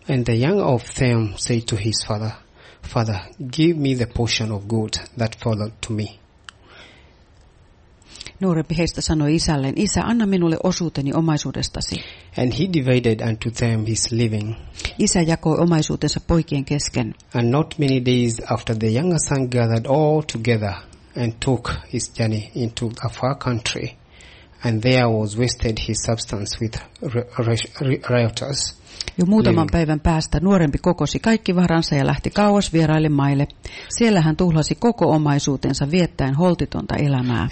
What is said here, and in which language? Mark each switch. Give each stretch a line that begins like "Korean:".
English: And the young of them said to his father, "Father, give me the portion of good that followed to me."
Finnish: Nuorempi heistä sanoi isälleen, isä, anna minulle osuuteni omaisuudestasi.
English: And he divided unto them his living.
Finnish: Isä jakoi omaisuutensa poikien kesken.
English: And not many days after the younger son gathered all together and took his journey into a far country. And there was wasted his substance with rioters.
Finnish: Jo muutaman päivän päästä nuorempi kokosi kaikki varansa ja lähti kauas vieraille maille. Siellä hän tuhlasi koko omaisuutensa viettäen holtitonta elämää.